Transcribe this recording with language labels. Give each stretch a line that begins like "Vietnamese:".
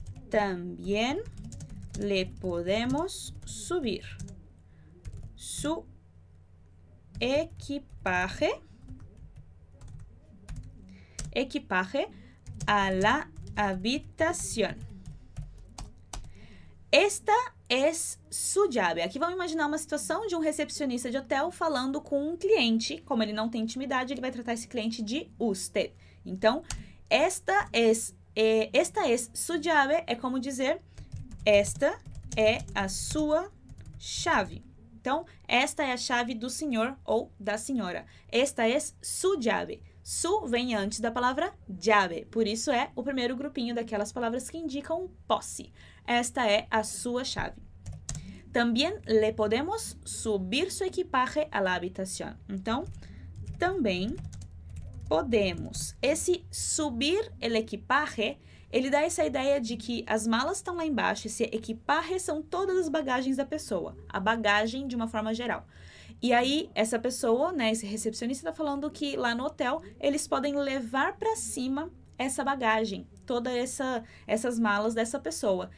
Spanish: También le podemos subir su equipaje. Equipaje a la habitación. Esta es su llave.
Portuguese: Aqui vamos imaginar uma situação de um recepcionista de hotel falando com um cliente. Como ele não tem intimidade, ele vai tratar esse cliente de usted. Então,
Spanish: esta es su llave
Portuguese: é como dizer esta é a sua chave. Então, esta é a chave do senhor ou da senhora.
Spanish: Esta es su llave.
Portuguese: Su vem antes da palavra llave, por isso é o primeiro grupinho daquelas palavras que indicam posse. Esta é a sua chave.
Spanish: También le podemos subir su equipaje a la habitación.
Portuguese: Então, também podemos. Esse subir el equipaje, ele dá essa ideia de que as malas estão lá embaixo, esse equipaje são todas as bagagens da pessoa, a bagagem de uma forma geral. E aí, essa pessoa, né, esse recepcionista está falando que lá no hotel eles podem levar para cima essa bagagem, todas essas malas dessa pessoa.